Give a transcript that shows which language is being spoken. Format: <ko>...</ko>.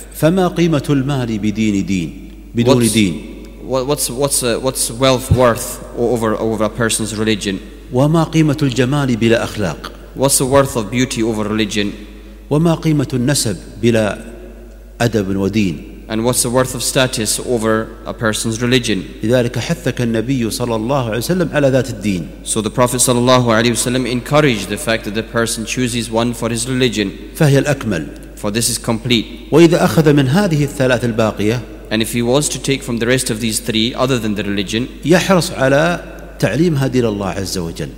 <ar>فما قيمة المال بدين دين بدون دين.</ar> <en>What's wealth worth over a person's religion?</en> <ar>وما قيمة الجمال بلا أخلاق؟</ar> <en>What's the worth of beauty over religion?</en> <ar>وما قيمة النسب بلا أدب ودين؟</ar> <en>And what's the worth of status over a person's religion?</en> <ar>لذلك حثك النبي صلى الله عليه وسلم على ذات الدين.</ar> <en>So the Prophet</en> <ar>صلى الله عليه وسلم</ar> <en>encouraged the fact that the person chooses one for his religion.</en> <ar>فهي الأكمل.</ar> <en>For this is complete.</en> <ar>وإذا أخذ من هذه الثلاث الباقية.</ar> <en>And if he was to take from the rest of these three other than the religion,</en> <ar>يحرص على تعليمها دين الله عز وجل.</ar>